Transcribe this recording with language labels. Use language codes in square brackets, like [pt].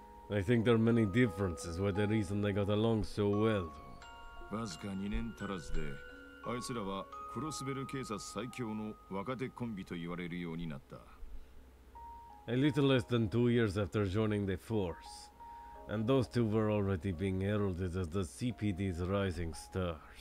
[en] I think there are many differences where the reason they got along so well, though. [ja] クロスベル警察最強の若手コンビと言われるようになった。 [en] A little less than 2 years after joining the force, and those two were already being heralded as the CPD's rising stars.